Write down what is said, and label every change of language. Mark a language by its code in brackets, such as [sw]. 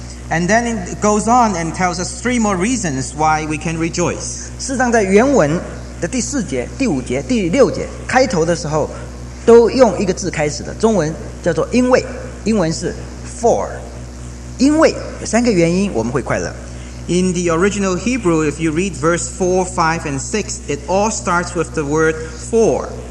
[en] And then it goes on and tells us three more reasons why we can rejoice. [zh] 事实上在原文的第四节、第五节、第六节开头的时候， 都用一个字开始的，中文叫做因为。英文是 for， 因为有三个原因我们会快乐。 [en] In the original Hebrew, if you read verse 4, 5, and 6, it all starts with the word for，